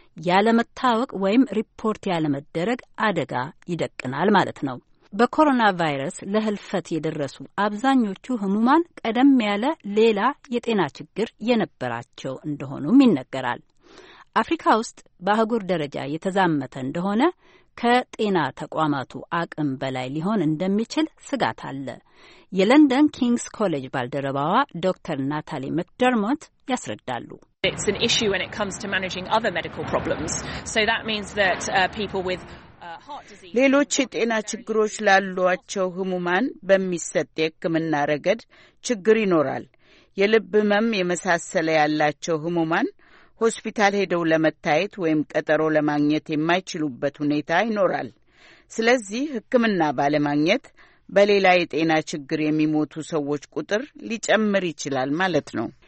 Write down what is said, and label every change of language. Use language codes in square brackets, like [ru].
[am] ያለመታወቅ ወይም ሪፖርት ያለመደረግ አደጋ ይደቅናል ማለት ነው። በኮሮና ቫይረስ ለህልፈት የደረሱ አብዛኞቹ ህሙማን ቀደም ያለ ሌላ የጤና ችግር የነበራቸው እንደሆኑም ይነገራል። አፍሪካ ውስጥ በአህጉር ደረጃ የተዛመተ እንደሆነ ከጤና ተቋማቱ አቅም በላይ ሊሆን እንደሚችል ስጋት አለ። የለንደን ኪንግስ ኮሌጅ ባልደረባዋ ዶክተር ናታሊ መክደርሞት ያስረዳሉ። [en] It's an issue when it comes to managing other medical problems. So that means that people with [am] ሌሎች የጤና ችግሮች ላሏቸው ህሙማን በሚሰጥ የህክምና ረገድ ችግር ይኖራል። የልብ ህመም የመሳሰለ ያላቸው ህሙማን ሆስፒታል ሄደው ለመታየት ወይም ቀጠሮ ለማግኘት የማይችሉበት ሁኔታ ይኖራል። ስለዚህ ህክምና ባለማግኘት በሌላ የጤና ችግር የሚሞቱ ሰዎች ቁጥር ሊጨምር ይችላል ማለት ነው።